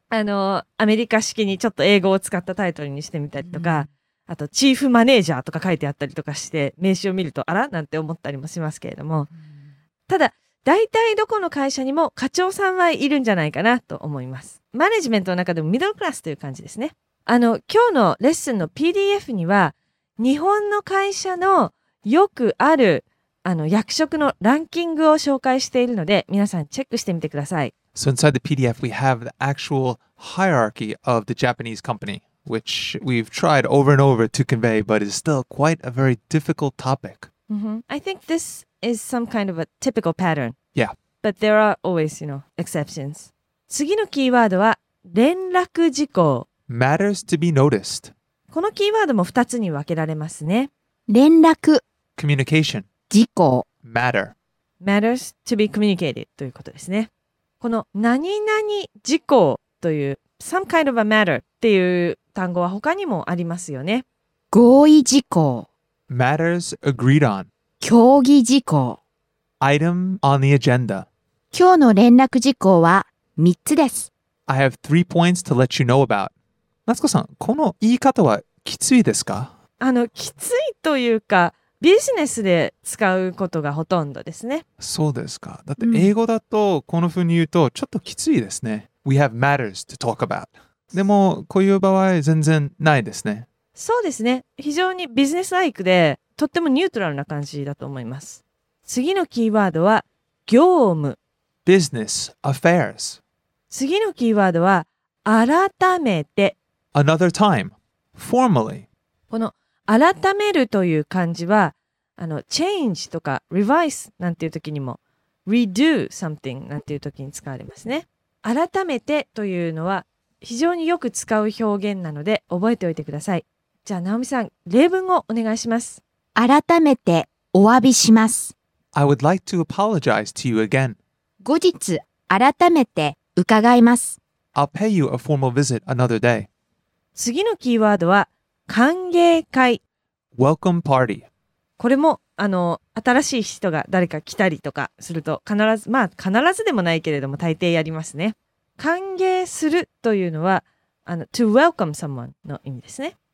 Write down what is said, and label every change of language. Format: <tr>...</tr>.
<ja>あのアメリカ式にちょっと英語を使ったタイトルにしてみたりとか、うん、あとチーフマネージャーとか書いてあったりとかして、名刺を見るとあらなんて思ったりもしますけれども、うん、ただ大体どこの会社にも課長さんはいるんじゃないかなと思います。マネジメントの中でもミドルクラスという感じですね。あの今日のレッスンの PDF には日本の会社のよくあるあの役職のランキングを紹介しているので、皆さんチェックしてみてください。</ja> <en>So inside the PDF we have the actual hierarchy of the Japanese company, which we've tried over and over to convey, but is still quite a very difficult topic. I think this is some kind of a typical pattern. Yeah. But there are always, you know, exceptions.</en> <ja>次のキーワードは連絡事項。</ja> <en>Matters to be noticed.</en> <ja>このキーワードも2つに分けられますね。連絡。</ja> <en>Communication.</en> <ja>事項。</ja> <en>Matter. Matters to be communicated</en> <ja>ということですね。この何々事項という</ja> <en>some kind of a matter</en> <ja>っていう単語は他にもありますよね。合意事項。</ja> <en>Matters agreed on.</en> <ja>協議事項。</ja> <en>Item on the agenda.</en> <ja>今日の連絡事項は3つです。</ja> <en>I have three points to let you know about.</en> <ja>夏子さん、この言い方はきついですか？あの、きついというか、ビジネスで使うことがほとんどですね。そうですか。だって英語だとこの風に言うとちょっときついですね。</ja> <en>We have matters to talk about.</en> <ja>でも、こういう場合全然ないですね。そうですね。非常にビジネスライクで、とってもニュートラルな感じだと思います。次のキーワードは業務。</ja> <en>Business affairs.</en> <ja>次のキーワードは改めて。</ja> <en>Another time. Formally.</en> <ja>この改めるという漢字は、あの、change とか revise なんていう時にも、</ja> <en>redo something</en> <ja>なんていう時に使われますね。改めてというのは非常によく使う表現なので覚えておいてください。じゃあ、ナオミさん、例文をお願いします。改めてお詫びします。</ja> <en>I would like to apologize to you again.</en> <ja>後日、改めて伺います。</ja> <en>I'll pay you a formal visit another day.</en> <ja>次のキーワードは、歓迎会。</ja> <en>Welcome party.</en> <ja>これも、あの、新しい人が誰か来たりとかすると、必ず、まあ、必ずでもないけれども、大抵やりますね。歓迎するというのは、あの、</ja> <en>to welcome someone</en> <ja>の意味ですね。</ja>